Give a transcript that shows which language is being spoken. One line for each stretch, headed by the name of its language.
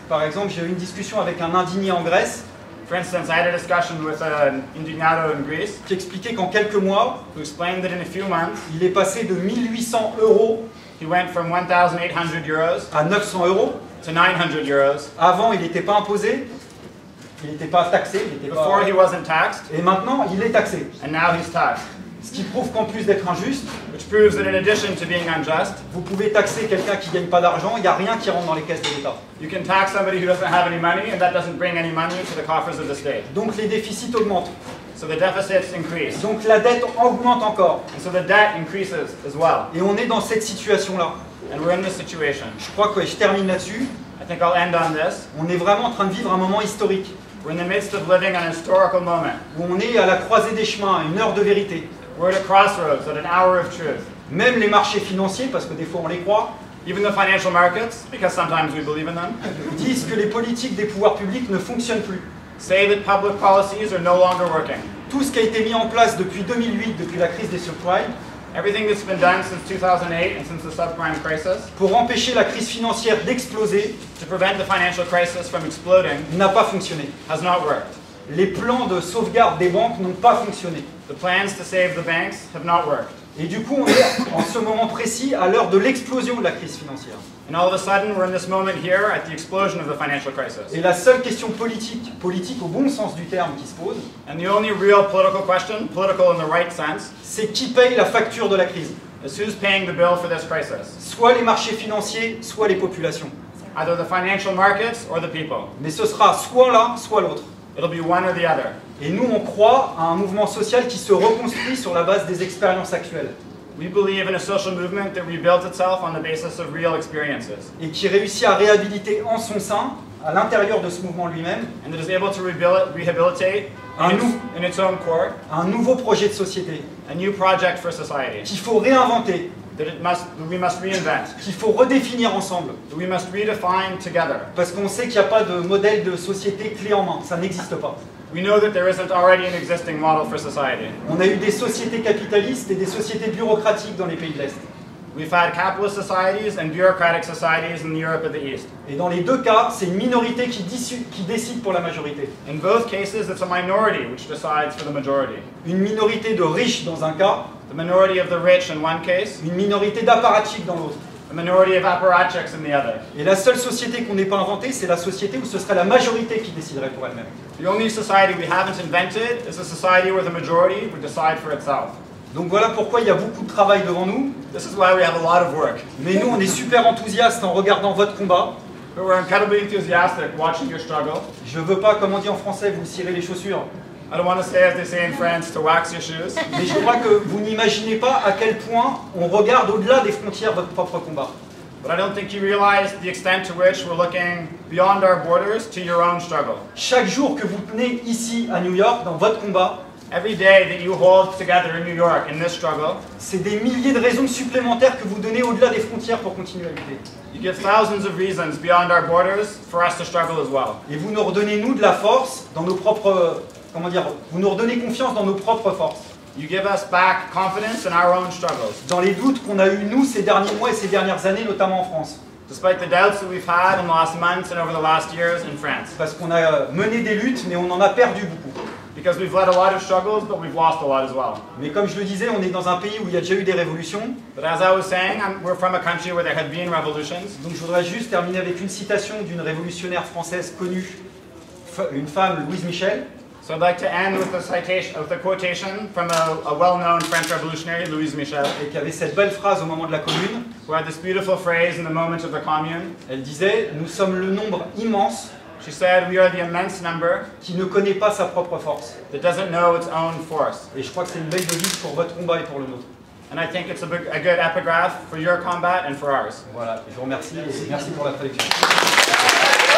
French: Par exemple, j'ai eu une discussion avec un indigné en Grèce.
English: For instance, I had a discussion with an indignado in Greece.
French: Qui expliquait qu'en quelques mois,
English: who explained that in a few months,
French: il est passé de 1800 euros,
English: he went from 1800 euros,
French: à 900 euros,
English: to 900 euros.
French: Avant, il n'était pas imposé. Il n'était pas taxé.
English: Before he wasn't taxed.
French: Et maintenant, il est taxé.
English: And now he's taxed.
French: Ce qui prouve qu'en plus d'être injuste,
English: which proves that in addition to being unjust,
French: vous pouvez taxer quelqu'un qui gagne pas d'argent. Il n'y a rien qui rentre dans les caisses de l'État.
English: You can tax somebody who doesn't have any money, and that doesn't bring any money to the coffers of the state.
French: Donc les déficits augmentent.
English: So the deficits increase.
French: Donc la dette augmente encore.
English: And so the debt increases as well.
French: Et on est dans cette situation là.
English: And we're in this situation.
French: Je crois que je termine là-dessus.
English: I think I'll end on this.
French: On est vraiment en train de vivre un moment historique.
English: We're in the midst of living an historical moment.
French: Où on est à la croisée des chemins, une heure de vérité.
English: We're at a crossroads, at an hour of truth.
French: Même les marchés financiers, parce que des fois on les croit.
English: Even the financial markets, because sometimes we believe in them.
French: Disent que les politiques des pouvoirs publics ne fonctionnent plus.
English: Say that public policies are no longer working.
French: Tout ce qui a été mis en place depuis 2008, depuis la crise des subprimes.
English: Everything that's been done since 2008 and since the subprime crisis.
French: Pour empêcher la crise financière d'exploser.
English: To prevent the financial crisis from exploding.
French: N'a pas fonctionné.
English: Has not worked.
French: Les plans de sauvegarde des banques n'ont pas fonctionné.
English: The plans to save the banks have not worked.
French: Et du coup, on est en ce moment précis à l'heure de l'explosion de la crise financière.
English: And all of a sudden, we're in this moment here at the explosion of the financial crisis.
French: Et la seule question politique, politique au bon sens du terme, qui se pose,
English: and the only real political question, political in the right sense,
French: c'est qui paye la facture de la crise.
English: Is who's paying the bill for this crisis?
French: Soit les marchés financiers, soit les populations.
English: Either the financial markets or the people.
French: Mais ce sera soit l'un, soit l'autre.
English: It'll be one or the other.
French: Et nous, on croit à un mouvement social qui se reconstruit sur la base des expériences actuelles.
English: We believe in a social movement that rebuilt itself on the basis of real experiences.
French: Et qui réussit à réhabiliter en son sein, à l'intérieur de ce mouvement lui-même,
English: and that is able to rehabilitate in its own core,
French: un nouveau projet de société,
English: a new project for society,
French: qu'il faut réinventer,
English: that we must reinvent,
French: qu'il faut redéfinir ensemble,
English: that we must redefine together.
French: Parce qu'on sait qu'il n'y a pas de modèle de société clé en main, ça n'existe pas.
English: We know that there isn't already an existing model for society.
French: On a eu des sociétés capitalistes et des sociétés bureaucratiques dans les pays de l'Est.
English: We've had capitalist societies and bureaucratic societies in Europe of the East.
French: Et dans les deux cas, c'est une minorité qui décide pour la majorité.
English: In both cases, it's a minority which decides for the majority.
French: Une minorité de riches dans un cas.
English: The minority of the rich in one case.
French: Une minorité d'apparatchiks dans l'autre.
English: A minority of apparatchiks in the other.
French: Et la seule société qu'on n'ait pas inventée, c'est la société où ce serait la majorité qui déciderait pour elle-même.
English: The only society we haven't invented is a society where the majority would decide for itself.
French: Donc voilà pourquoi il y a beaucoup de travail devant nous.
English: This is why we have a lot of work.
French: Mais nous, on est super enthousiastes en regardant votre combat.
English: But we're incredibly enthusiastic watching your struggle.
French: Je veux pas, comme on dit en français, vous cirer les chaussures.
English: I don't want to say, as they say in France, to wax your shoes.
French: Mais je crois que vous n'imaginez pas à quel point on regarde au-delà des frontières votre propre combat.
English: But I don't think you realize the extent to which we're looking beyond our borders to your own struggle.
French: Chaque jour que vous tenez ici à New York dans votre combat,
English: every day that you hold together in New York in this struggle,
French: c'est des milliers de raisons supplémentaires que vous donnez au-delà des frontières pour continuer à lutter.
English: You give thousands of reasons beyond our borders for us to struggle as well.
French: Et vous nous redonnez nous de la force dans nos propres comment dire, vous nous redonnez confiance dans nos propres forces.
English: You give us back confidence in our own struggles.
French: Dans les doutes qu'on a eu nous ces derniers mois et ces dernières années, notamment en France.
English: Despite the doubts that we've had in the last months and over the last years in France.
French: Parce qu'on a mené des luttes, mais on en a perdu beaucoup.
English: Because we've led a lot of struggles, but we've lost a lot as well.
French: Mais comme je le disais, on est dans un pays où il y a déjà eu des révolutions.
English: But as I was saying, we're from a country where there had been revolutions.
French: Donc je voudrais juste terminer avec une citation d'une révolutionnaire française connue, une femme, Louise Michel.
English: So I'd like to end with a citation, with a quotation from a well-known French revolutionary, Louise Michel.
French: Et qui avait cette belle phrase au moment de la Commune.
English: Who had this beautiful phrase in the moment of the Commune.
French: Elle disait, nous sommes le nombre immense.
English: She said, we are the immense number.
French: Qui ne connaît pas sa propre force.
English: That doesn't know its own force.
French: Et je crois que c'est une belle devise pour votre combat et pour le nôtre.
English: And I think it's a good epigraph for your combat and for ours.
French: Voilà, je vous remercie et merci pour la traduction.